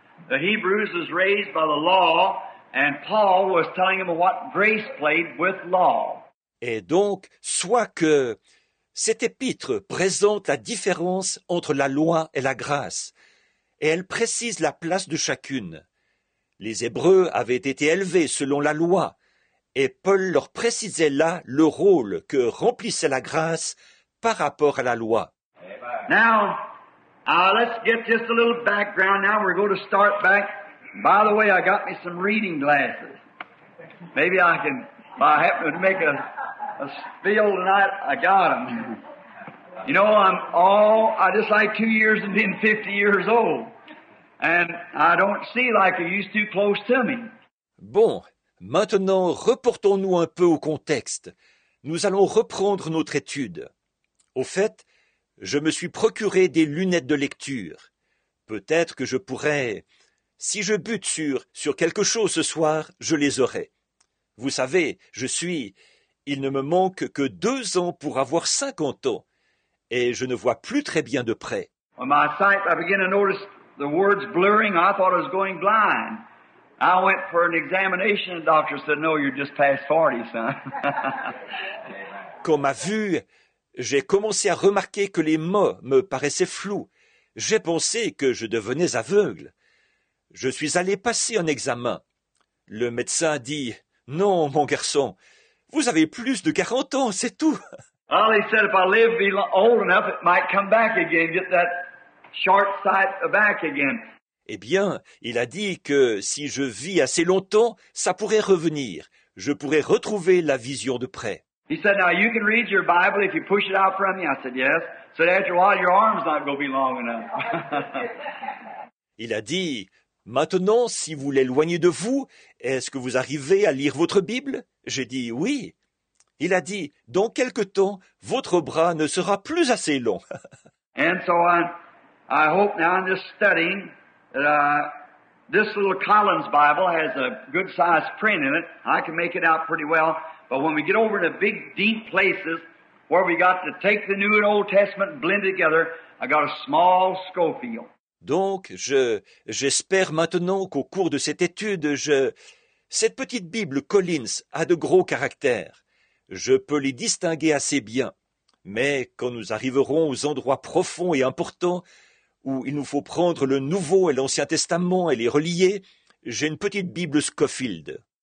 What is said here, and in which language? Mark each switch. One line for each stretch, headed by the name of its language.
English: The Hebrews was raised by the law, and Paul was telling them what grace played with law.
French: Et donc, soit que cet épître présente la différence entre la loi et la grâce, et elle précise la place de chacune. Les Hébreux avaient été élevés selon la loi, et Paul leur précisait là le rôle que remplissait la grâce par rapport à la loi.
English: Now, let's get just a little background. Now we're going to start back. By the way, I got me some reading glasses. Maybe I can, if I happen to make a spill tonight, I got them. You know, I just like 2 years and being 50 years old. And I don't see like I used to close to me.
French: Bon. Maintenant, reportons-nous un peu au contexte. Nous allons reprendre notre étude. Au fait, je me suis procuré des lunettes de lecture. Peut-être que je pourrais, si je bute sur quelque chose ce soir, je les aurai. Vous savez, il ne me manque que 2 ans pour avoir 50 ans, et je ne vois plus très bien de près.
English: On my sight, I begin to notice the words blurring. I thought I was going blind. I went for an examination, and the doctor said, no, you're just past 40, son.
French: Quand ma vue, j'ai commencé à remarquer que les mots me paraissaient flous. J'ai pensé que je devenais aveugle. Je suis allé passer un examen. Le médecin a dit, non, mon garçon, vous avez plus de 40 ans, c'est tout.
English: Well, he said, if I live be old enough, it might come back again, get that short sight back again.
French: Eh bien, il a dit que si je vis assez longtemps, ça pourrait revenir. Je pourrais retrouver la vision de près.
English: He said, now you can read your Bible if you push it out from me. I said, yes. So after a while, your arm's not going to be long enough.
French: Il a dit, maintenant, si vous l'éloignez de vous, est-ce que vous arrivez à lire votre Bible? J'ai dit, oui. Il a dit, dans quelque temps, votre bras ne sera plus assez long.
English: And so I hope now I'm just studying. That This little Collins Bible has a good size print in it. I can make it out pretty well. But when we get over to big, deep places where we got to take the New and Old Testament and blend it together, I got a small Scofield.
French: Donc, j'espère maintenant qu'au cours de cette étude, cette petite Bible Collins a de gros caractères. Je peux les distinguer assez bien. Mais quand nous arriverons aux endroits profonds et importants où il nous faut prendre le Nouveau et l'Ancien Testament et les relier, j'ai une petite Bible Scofield.